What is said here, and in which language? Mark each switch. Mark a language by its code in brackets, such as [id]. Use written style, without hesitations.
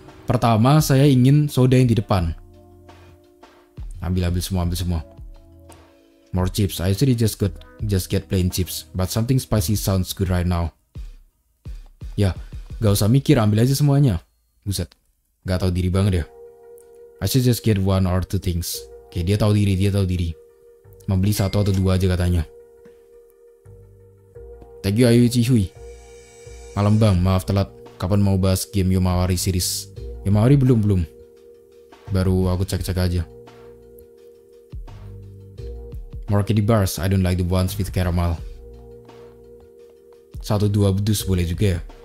[id] Pertama, saya ingin soda yang di depan. Ambil semua. [en] More chips. I actually just get plain chips, but something spicy sounds good right now. [id] Ya, gak usah mikir, ambil aja semuanya. Buset, gak tahu diri banget ya. [en] I should just get one or two things. [id] Oke, dia tahu diri. Membeli satu atau dua aja katanya. Thank you Ayu Chihui. Malam bang, maaf telat. Kapan mau bahas game Yomawari series? Yomawari belum. Baru aku cek aja. [en] More candy bars, I don't like the ones with caramel. [id] Satu dua bedus boleh juga ya.